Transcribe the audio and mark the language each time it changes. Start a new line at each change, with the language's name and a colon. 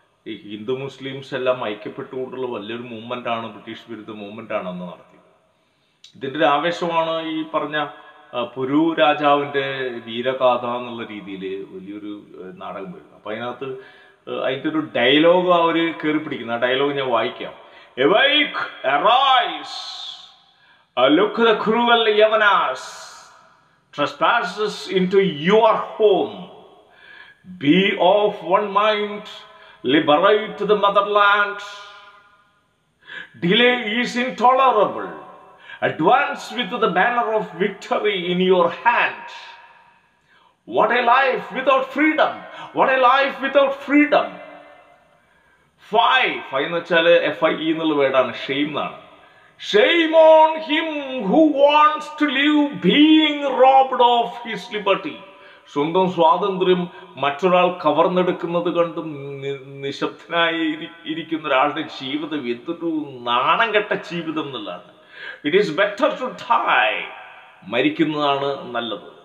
Malayalam: ഈ ഹിന്ദു മുസ്ലിംസ് എല്ലാം ഐക്യപ്പെട്ടുകൊണ്ടുള്ള വലിയൊരു മൂവ്മെൻ്റാണ്, ബ്രിട്ടീഷ് വിരുദ്ധ മൂവ്മെൻ്റാണ് അന്ന് നടത്തിയത്. ഇതിൻ്റെ ഒരു ആവേശമാണ് ഈ പറഞ്ഞ പുരു രാജാവിൻ്റെ വീരഗാഥ എന്നുള്ള രീതിയിൽ വലിയൊരു നാടകം വരുന്നത്. അപ്പം അതിനകത്ത് അതിൻ്റെ ഒരു ഡയലോഗ് അവർ കയറി പിടിക്കുന്നു. ആ ഡയലോഗ് ഞാൻ വായിക്കാം.
English: Awake, arise, look the cruel Yavanas, trespasses into your home. Be of one mind, liberate the motherland. Delay is intolerable, advance with the banner of victory in your hand. What a life without freedom, what a life without freedom.
Malayalam: Fie, fie എന്ന് വെച്ചാൽ FIE എന്നുള്ള വേർഡാണ്, shame എന്നാണ്.
English: Shame on him who wants to live being robbed of his liberty.
Malayalam: സ്വന്തം സ്വാതന്ത്ര്യം മറ്റൊരാൾ കവർന്നെടുക്കുന്നത് കണ്ട് നിശബ്ദനായി ഇരിക്കുന്ന ഒരാളുടെ ജീവിതം എന്തൊരു നാണം കെട്ട ജീവിതം എന്നുള്ളതാണ്.
English: It is better to die,
Malayalam: മരിക്കുന്നതാണ് നല്ലത്.